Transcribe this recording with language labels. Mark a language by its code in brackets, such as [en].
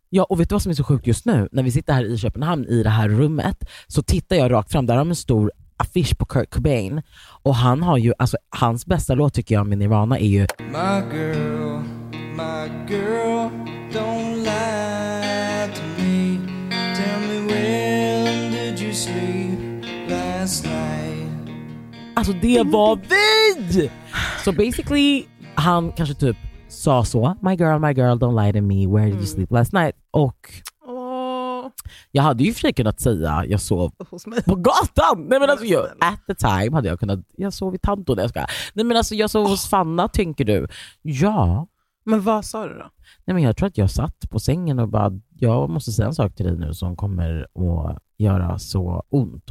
[sv] Ja, och vet du vad som är så sjukt just nu? När vi sitter här i Köpenhamn i det här rummet så tittar jag rakt fram, där har en stor affisch på Kurt Cobain. Och han har ju, alltså hans bästa låt tycker jag med Nirvana är ju [en] my girl, don't lie to me. Tell me when did you sleep last night? [sv] Alltså det var vid! Så basically, han kanske typ sa så, [en] my girl, don't lie to me. Where did you sleep last night? [sv] Och jag hade ju försökt kunnat säga jag sov på gatan. Nej men alltså, [en] at the time [sv] hade jag kunnat, jag sov i Tanto. Nej men alltså, jag sov hos Fanna, tänker du. Ja. Men vad sa du då? Nej, men jag tror att jag satt på sängen och bara, jag måste säga en sak till dig nu som kommer att göra så ont.